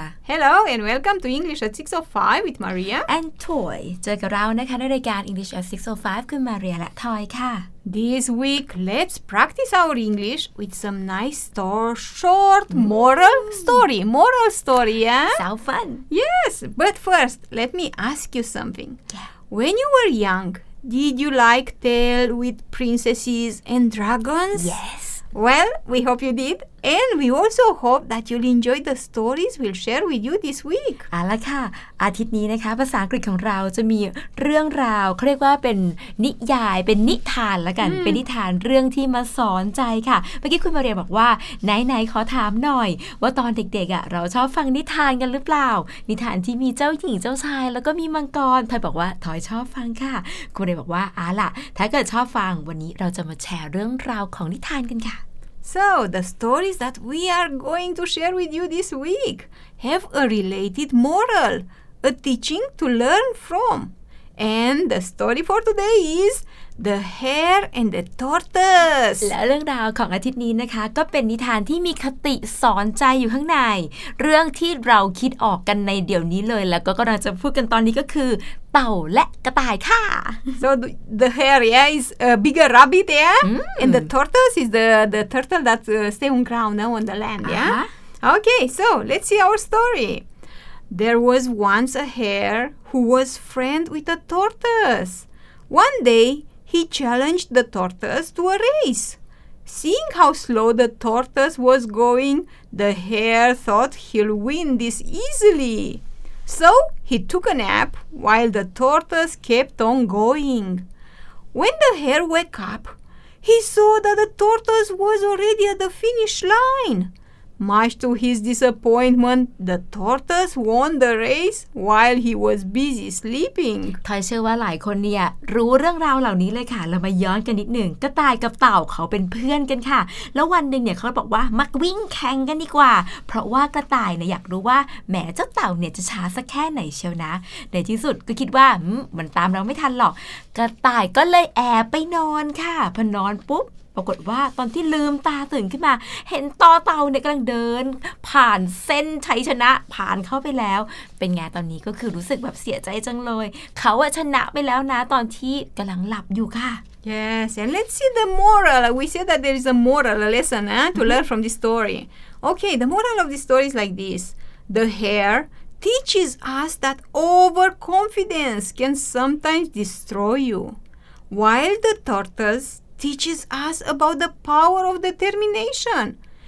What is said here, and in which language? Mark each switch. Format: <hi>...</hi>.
<en>Hello and welcome to English at 6:05 with Maria and Toy.</en> <th>เจอกับเรานะคะในรายการ English at 6:05 คุณ Maria และ Toy ค่ะ</th> <en>This week let's practice our English with some nice short moral story. Moral story, yeah? Sound fun. Yes, but first let me ask you something. Yeah. When you were young, did you like tale with princesses and dragons? Yes. Well, we hope you did. And we also hope that you'll enjoy the stories we'll share with you this week.</en> <th>เอาละค่ะอาทิตย์นี้นะคะภาษาอังกฤษของเราจะมีเรื่องราวเขาเรียกว่าเป็นนิยายเป็นนิทานละกันเป็นนิทานเรื่องที่มาสอนใจค่ะเมื่อกี้คุณมาเรียบอกว่าไหนๆขอถามหน่อยว่าตอนเด็กๆอ่ะเราชอบฟังนิทานกันหรือเปล่านิทานที่มีเจ้าหญิงเจ้าชายแล้วก็มีมังกรทอยบอกว่าทอยชอบฟังค่ะคุณเรียบอกว่าเอาล่ะถ้าเกิดชอบฟังวันนี้เราจะมาแชร์เรื่องราวของนิทานกันค่ะ</th> <en>So, the stories that we are going to share with you this week have a related moral, a teaching to learn from. And the story for today is The Hare and the Tortoise.</en> <th>และเรื่องราวของอาทิตย์นี้นะคะก็เป็นนิทานที่มีคติสอนใจอยู่ข้างในเรื่องที่เราคิดออกกันในเดี๋ยวนี้เลยแล้วก็กำลังจะพูดกันตอนนี้ก็คือเต่าและกระต่ายค่ะ</th> <en>So the hare yeah, is a bigger rabbit yeah and the tortoise is the turtle that stay on ground now on the land yeah Okay so let's see our story There was once a hare who was friend with a tortoise One dayHe challenged the tortoise to a race. Seeing how slow the tortoise was going, the hare thought he'll win this easily. So he took a nap while the tortoise kept on going. When the hare woke up, he saw that the tortoise was already at the finish line. Much to his disappointment, the tortoise won the race while he was busy sleeping.</en> <th>ทอยเชื่อว่าหลายคนเนี่ยรู้เรื่องราวเหล่านี้เลยค่ะเรามาย้อนกันนิดหนึ่งกระต่ายกับเต่าเขาเป็นเพื่อนกันค่ะแล้ววันหนึ่งเนี่ยเขาบอกว่ามักวิ่งแข่งกันดีกว่าเพราะว่ากระต่ายเนี่ยอยากรู้ว่าแหมเจ้าเต่าเนี่ยจะช้าสักแค่ไหนเชียวนะในที่สุดก็คิดว่า มันตามเราไม่ทันหรอกกระต่ายก็เลยแอบไปนอนค่ะพอนอนปุ๊บปรากฏว่าตอนที่ลืมตาตื่นขึ้นมาเห็นตอเต่าเนี่ยกำลังเดินผ่านเส้นชัยชนะผ่านเข้าไปแล้วเป็นไงตอนนี้ก็คือรู้สึกแบบเสียใจจังเลยเขาอะชนะไปแล้วนะตอนที่กำลังหลับอยู่ค่ะ</th> <en>Yes and let's see the moral we said that there is a moral lesson to learn from this story Okay the moral of this story is like this the hare teaches us that overconfidence can sometimes destroy you while the tortoiseteaches us about the power of determination.</en>